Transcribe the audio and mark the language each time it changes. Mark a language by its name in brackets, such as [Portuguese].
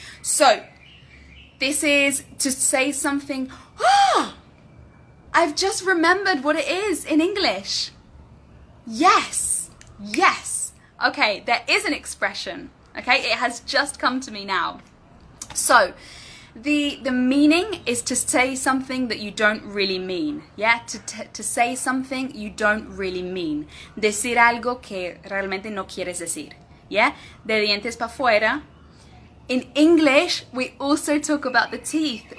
[English] So this is to say something, oh, I've just remembered what it is in English. Yes, yes. Okay, there is an expression, okay? It has just come to me now. So the meaning is to say something that you don't really mean, yeah? To say something you don't really mean. [Spanish] Decir algo que realmente no quieres decir, yeah? De dientes para fuera. [English] In English, we also talk about the teeth.